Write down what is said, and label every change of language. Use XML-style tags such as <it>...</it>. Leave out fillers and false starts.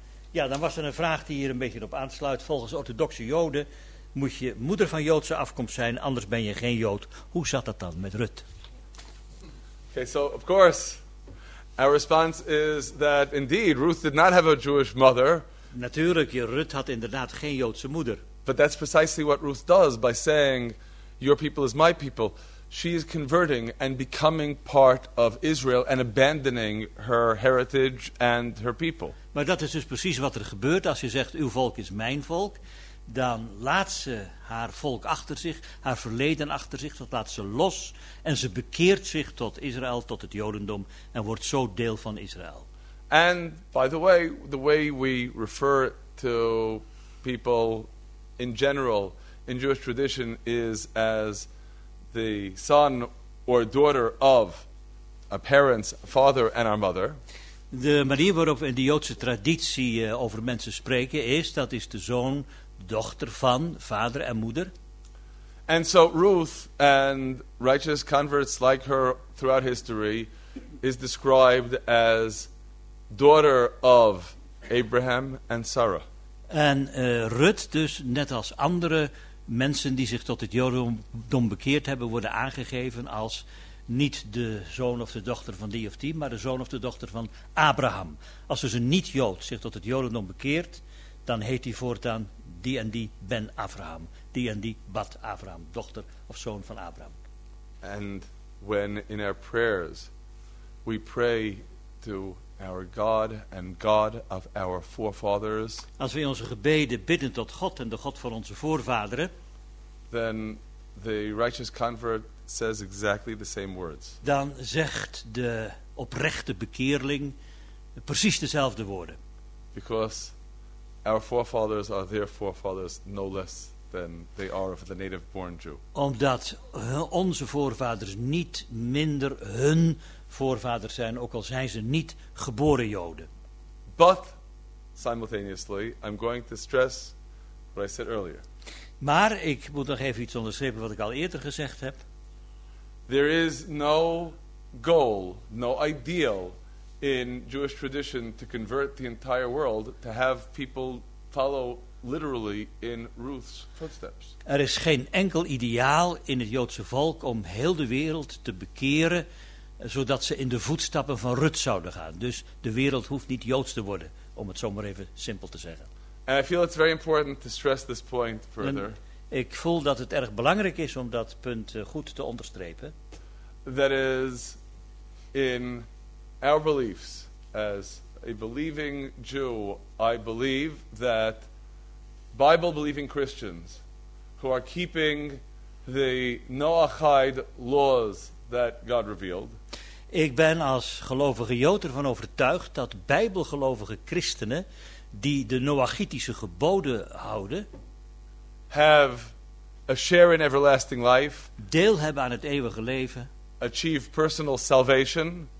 <nl>Ja, dan was er een vraag die hier een beetje op aansluit. Volgens orthodoxe Joden moet je moeder van Joodse afkomst zijn, anders ben je geen Jood. Hoe zat dat dan met Rut?</nl> <en>Okay, so of course, our response is that indeed Ruth did not have a Jewish mother.</en> <nl>Natuurlijk, Rut had inderdaad geen Joodse moeder.</nl> <en>But that's precisely what Ruth does by saying, "Your people is my people." She is converting and becoming part of Israel and abandoning her heritage and her people.</en> <nl>Maar dat is dus precies wat er gebeurt als je zegt, uw volk is mijn volk. Dan laat ze haar volk achter zich, haar verleden achter zich, dat laat ze los. En ze bekeert zich tot Israël, tot het Jodendom en wordt zo deel van Israël.</nl> <en>And by the way we refer to people in general in Jewish tradition is as the son or daughter of a parent's father and our mother.</en> <nl>De manier waarop in de Joodse traditie over mensen spreken is, dat is de zoon, dochter van vader en moeder.</nl> <en>And so Ruth and righteous converts like her throughout history is described as daughter of Abraham and Sarah.</en> <nl>En Ruth dus, net als andere mensen die zich tot het Jodendom bekeerd hebben, worden aangegeven als niet de zoon of de dochter van die of die, maar de zoon of de dochter van Abraham. Als dus een niet-Jood zich tot het Jodendom bekeert, dan heet hij voortaan die en die Ben Abraham, die en die Bat Abraham, dochter of zoon van Abraham.</nl> <en>And when in our prayers we pray to our God and God of our forefathers,</en> <nl>als we in onze gebeden bidden tot God en de God van onze voorvaderen,</nl> <en>then the righteous convert says exactly the same words.</en> <nl>Dan zegt de oprechte bekeerling precies dezelfde woorden.</nl> <en>Because our forefathers are their forefathers no less than they are of the native born Jew.</en> <nl>Omdat onze voorvaders niet minder hun voorvaders zijn, ook al zijn ze niet geboren Joden.</nl> <en>But simultaneously I'm going to stress what I said earlier.</en> <nl>Maar ik moet nog even iets onderstrepen wat ik al eerder gezegd heb.</nl> <en>There is no goal, no ideal in Jewish tradition to convert the entire world, to have people follow literally in Ruth's footsteps.</en> <nl>Er is geen enkel ideaal in het Joodse volk om heel de wereld te bekeren, zodat ze in de voetstappen van Rut zouden gaan. Dus de wereld hoeft niet Joods te worden, om het zomaar even simpel te zeggen.</nl> <en>And I feel it's very important to stress this point further.</en> <nl>Ik voel dat het erg belangrijk is om dat punt goed te onderstrepen.</nl> <en>That is, in our beliefs, as a believing Jew, I believe that Bible-believing Christians who are keeping the Noahide laws that God revealed.</en> <nl>Ik ben als gelovige Jood ervan overtuigd dat bijbelgelovige christenen die de Noachitische geboden houden,</nl> <en>have a share in everlasting life,</en> <nl>deel hebben aan het eeuwige leven,</nl> <en>achieve personal salvation,</en>